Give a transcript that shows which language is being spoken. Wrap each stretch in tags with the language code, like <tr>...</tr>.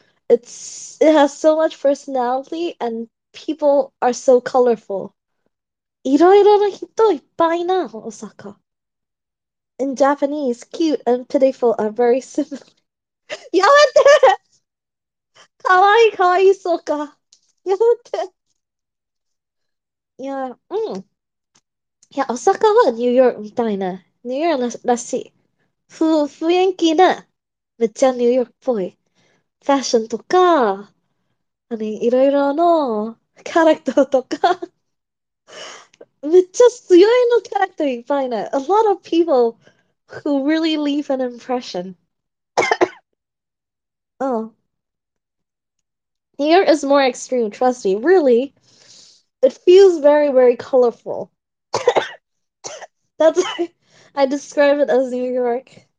<en>It has so much personality and people are so colorful.</en> <ja>Iroiro na hito ippai na Osaka.</ja> <en>In Japanese, cute and pitiful are very similar.</en> <ja>Yamete! Kawaii so ka. いや、大阪はニューヨークみたいな。ニューヨークらしい。雰囲気ね。めっちゃニューヨークっぽい。ファッションとか、いろいろのキャラクターとか。めっちゃ強いのキャラクターいっぱいね。</ja> <en>A lot of people who really leave an impression. Oh. New York is more extreme, trust me. Really, it feels very, very colorful. That's why I describe it as New York.</en>